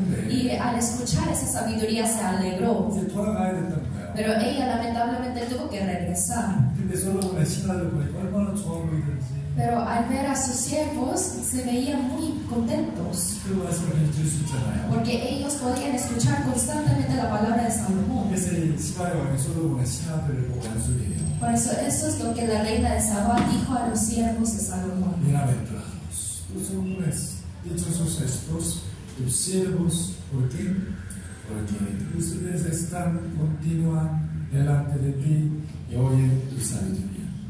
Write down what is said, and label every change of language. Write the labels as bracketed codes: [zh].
[es] Y al escuchar esa sabiduría se alegró. pero ella lamentablemente tuvo que regresar. [ko] 근데 솔로몬의 신하들 얼마나 좋아 보이던지. [es] Pero al ver a sus siervos se veían muy contentos. [ko] 그 말씀을 들을 수 있잖아요. [es] Porque ellos podían escuchar constantemente la palabra de Salomón. [ko] 그래서 시바의 왕이 솔로몬의 신하들을 보고 안수해요. [es] Por eso esto es lo que la reina de Sabá dijo a los siervos de Salomón. Bienaventurados, los hombres, dichos sus esposos, tus siervos, ¿por qué? Porque ustedes están continua delante de ti y oyen tu sabiduría.